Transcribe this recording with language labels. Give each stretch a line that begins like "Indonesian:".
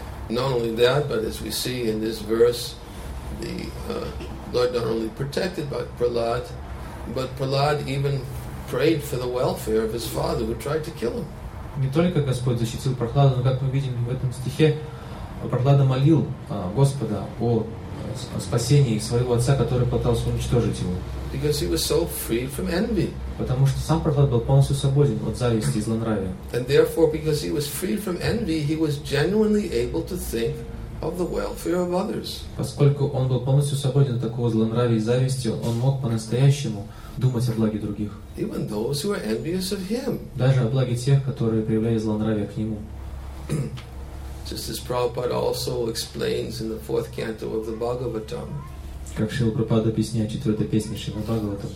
English: Not only that, but as we see in this verse, the Lord not only protected Prahlad, but Prahlad even prayed for the welfare of his father, who tried to kill him.
Russian: Не только Господь защитил Прохлада, но как мы видим в этом стихе, Прохлада молил Господа о спасении своего отца, который пытался уничтожить его.
English: Because he was so free from envy.
Russian: Потому что сам Прохлад был полностью свободен от зависти и злонравия.
English: And therefore, because he was free from envy, he was genuinely able to think of the welfare of others.
Russian: Поскольку он был полностью свободен от такого злонравия и зависти, он мог по-настоящему думать о благе других.
English: Even those who are envious of him.
Russian: Даже о благе тех, которые проявляли злонравие к нему.
English: Just as Prabhupada also explains in the fourth canto of the Bhagavatam.
Russian: Как Шрила Прабхупада объясняет в четвертой песне Шримад Бхагаватам.